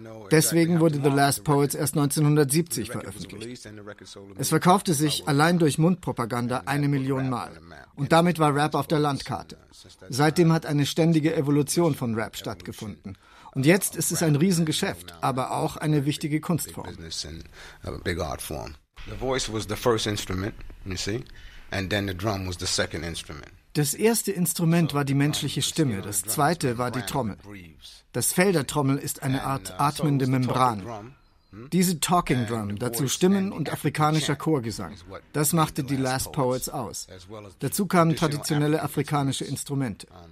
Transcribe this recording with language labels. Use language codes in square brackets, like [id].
[de] Deswegen wurde The Last Poets erst 1970 veröffentlicht. Es verkaufte sich allein durch Mundpropaganda 1 Million Mal. Und damit war Rap auf der Landkarte. Seitdem hat eine ständige Evolution von Rap stattgefunden. Und jetzt ist es ein Riesengeschäft, aber auch eine wichtige Kunstform. [en] The voice was the first instrument, you see, and then the drum was the second instrument. [de] Das erste Instrument war die menschliche Stimme, das zweite war die Trommel. Das Fell der Trommel ist eine Art atmende Membran. Diese Talking Drum, dazu Stimmen und afrikanischer Chorgesang, das machte die Last Poets aus. Dazu kamen traditionelle afrikanische Instrumente.